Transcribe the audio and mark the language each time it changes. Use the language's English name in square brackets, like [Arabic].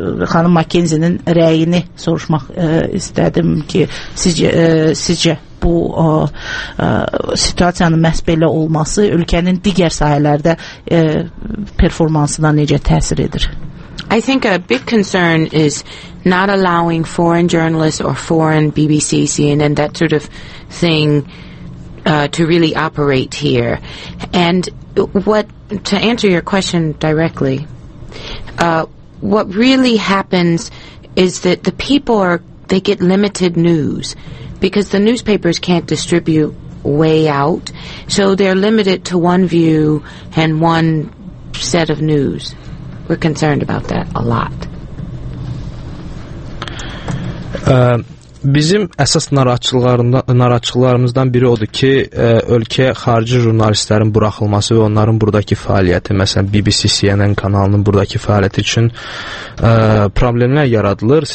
[Azerbaijani] xanım McKenzie-nin rəyini soruşmaq istədim ki, sizcə bu situasiyanın məhz belə olması ölkənin digər sahələrdə performansına necə təsir edir? [English] I think a big concern is not allowing foreign journalists or foreign BBC, CNN, that sort of thing to really operate here. And what, to answer your question directly, what really happens is that the people are, they get limited news because the newspapers can't distribute way out. So they're limited to one view and one set of news. We're concerned about that a lot. [Azerbaijani] Bizim əsas narahatçılarımızdan biri odur ki, ölkəyə xarici jurnalistlərin buraxılması və onların buradakı fəaliyyəti, məsələn, BBC, CNN kanalının buradakı fəaliyyəti üçün problemlər yaradılır.